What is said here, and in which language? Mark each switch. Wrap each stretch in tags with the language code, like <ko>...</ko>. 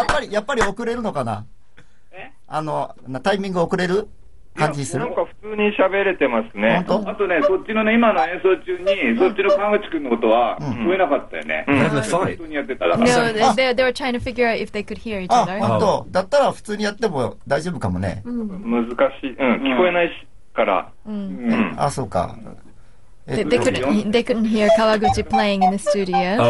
<ja>やっぱり遅れるのかな？タイミング遅れる感じする？なんか普通に喋れてますね。本当？あとね、そっちのね今の演奏中にそっちの川口くんのことは聞こえなかったよね。普通にやってたら。</ja> <en>No, they were trying to figure out if they could hear each other.</en> <ja>本当？だったら普通にやっても大丈夫かもね。難しい。聞こえないしから。あ、そうか。</ja> <en>They couldn't hear 川口 playing in the studio.</en>